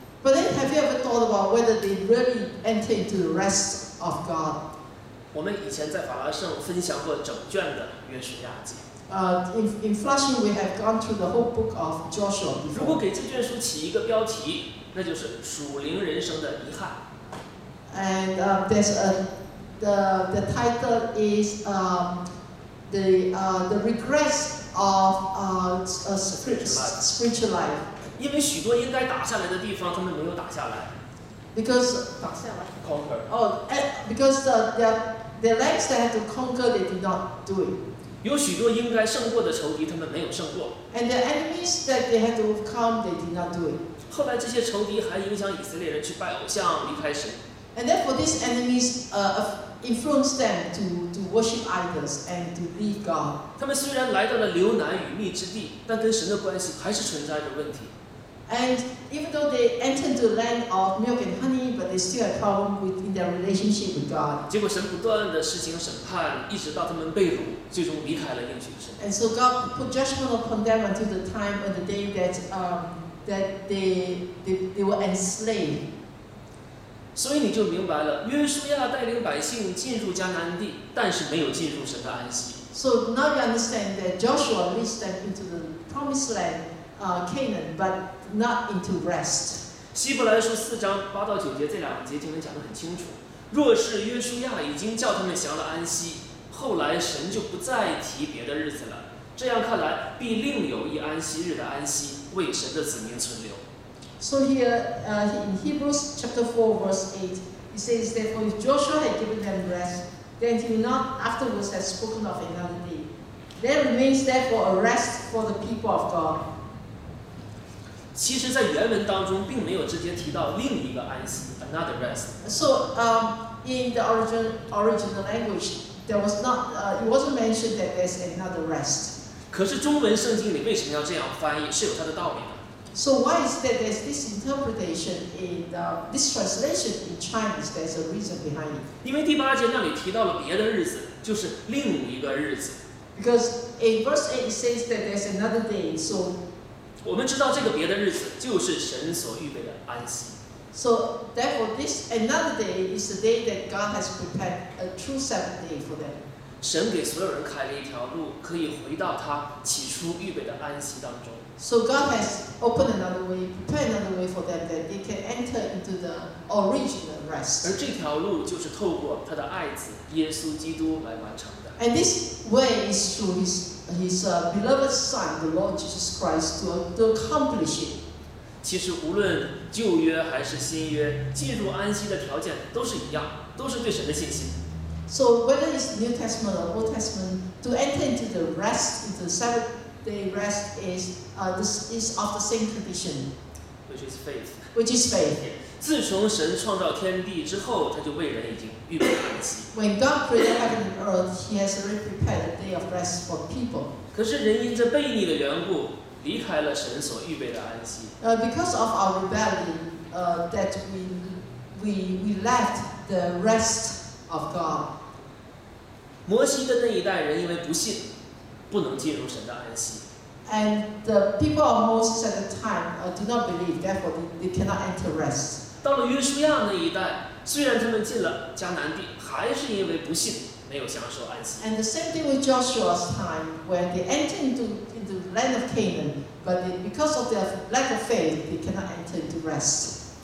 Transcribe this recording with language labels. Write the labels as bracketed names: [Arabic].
[English] ？But then, have you ever thought about whether they really entered the rest of God? [Chinese] 我们以前在法拉盛分享过整卷的约书亚记。 [English] In Flushing, we have gone through the whole book of Joshua before. [Chinese] 如果给这卷书起一个标题，那就是属灵人生的遗憾。 [English] And there's a the title is the regrets of a spiritual life. [Chinese] 因为许多应该打下来的地方，他们没有打下来。 [English] Because [Chinese] 打下来。 [English] Conquer. Oh, because the lands they had to conquer, they did not do it. [Chinese] 有许多应该胜过的仇敌，他们没有胜过。 [English] And the enemies that they had to overcome, they did not do it. [Chinese] 后来这些仇敌还影响以色列人去拜偶像，离开神。 [English] And therefore, these enemies influenced them to worship idols and to leave God. [Chinese] 他们虽然来到了流难与蜜之地，但跟神的关系还是存在着问题。 [English] And even though they entered the land of milk and honey, but they still have problem within their relationship with God. [Chinese] 结果神不断的施行审判，一直到他们被掳，最终离开了应许之地。 [English] And so God put judgment upon them until the time and the day that they were enslaved. [Chinese] 所以你就明白了，约书亚带领百姓进入迦南地，但是没有进入神的安息。 [English] So now you understand that Joshua leads them into the promised land, Canaan, but not into rest. [Chinese] 希伯来书四章八到九节这两节经文讲得很清楚。若是约书亚已经叫他们降了安息，后来神就不再提别的日子了。这样看来，必另有一安息日的安息，为神的子民存留。 [English] So here, in Hebrews chapter 4, verse 8, it says, therefore, if Joshua had given them rest, then he would not afterwards have spoken of another day. There remains therefore a rest for the people of God. [Chinese] 其实在原文当中并没有直接提到另一个安息 [English] another rest. So, in the original language, there was not, it wasn't mentioned that there's another rest. [Chinese] 可是中文圣经里为什么要这样翻译是有它的道理的。 [English] So why is that there's this interpretation in the, this translation in Chinese? There's a reason behind it. [Chinese] 因为第八节那里提到了别的日子，就是另一个日子。 [English] Because in verse 8 it says that there's another day. So [Chinese] 我们知道这个别的日子就是神所预备的安息。 [English] So therefore, this another day is the day that God has prepared a true Sabbath day for them. [Chinese] 神给所有人开了一条路，可以回到他起初预备的安息当中。 [English] So God has opened another way, prepared another way for them that they can enter into the original rest. [Chinese] 而这条路就是透过他的爱子耶稣基督来完成的。 [English] And this way is through his beloved Son, the Lord Jesus Christ, to accomplish it. [Chinese] 其实无论旧约还是新约，进入安息的条件都是一样，都是对神的信心。 [English] So whether it's New Testament or Old Testament, to enter into the rest, into the Sabbath. They rest is this is of the same condition, which is faith. Which is faith. [Chinese] 自从神创造天地之后，他就为人已经预备安息。 [English] When God created heaven and earth, He has already prepared a day of rest for people. [Chinese] 可是人因着悖逆的缘故，离开了神所预备的安息。 [English] Because of our rebellion, that we left the rest of God. [Chinese] 摩西的那一代人因为不信。不能进入神的安息。 [English] And the people of Moses at the time did not believe, therefore they cannot enter rest. [Chinese] 到了约书亚那一代，虽然他们进了迦南地，还是因为不信，没有享受安息。 [English] And the same thing with Joshua's time, when they entered into the land of Canaan, but they, because of their lack of faith, they cannot enter into rest.